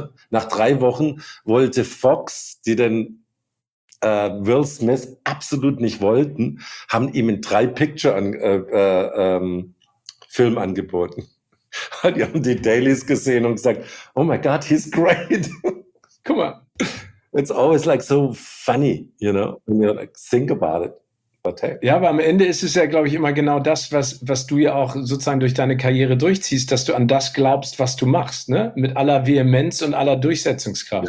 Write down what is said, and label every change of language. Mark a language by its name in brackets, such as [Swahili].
[German] Nach 3 Wochen wollte Fox, die den Will Smith absolut nicht wollten, haben ihm einen 3-Picture-Film angeboten. Die haben die Dailies gesehen und gesagt, [English] oh my God, he's great. [German] Guck mal. [English] It's always like so funny, you know, when you like think about it. But hey. [German] Ja, aber am Ende ist es ja, glaube ich, immer genau das, was du ja auch sozusagen durch deine Karriere durchziehst, dass du an das glaubst, was du machst, ne? Mit aller Vehemenz und aller Durchsetzungskraft.